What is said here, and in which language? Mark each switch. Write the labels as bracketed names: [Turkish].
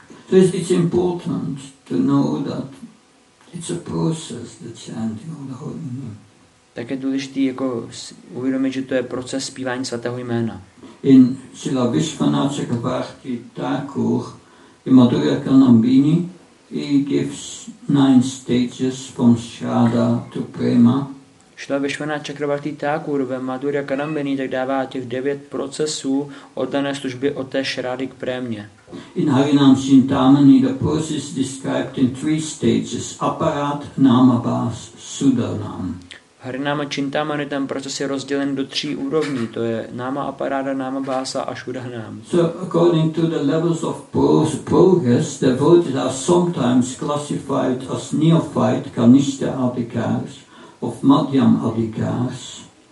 [English] So it's important to know that it's a process, the chanting of the holy name. [Czech] Tak je důležité jako uvědomit, že to je proces zpívání svatého jména. [English] In Srila Vishvanatha Chakrabarti Thakur, in Madhurya Kanambini, he gives nine stages from Shraddha to Prema. [Czech] Srila Vishvanatha Chakrabarti Thakur ve Madhurya Kanambini tak dává těch devět procesů oddané služby od té Shraddhy k Prémě. [English] In Harinam Chintamani, the process is described in three stages, aparat, namabhas, sudanam. [Czech] V Harinama Chintamani ten proces je rozdělen do tří úrovní, to je náma aparáda, náma bása a šudanam. [English] So according to the levels of progress, the devotees are sometimes classified as neophyte, kanishta adhikars, of madhyam adhikars.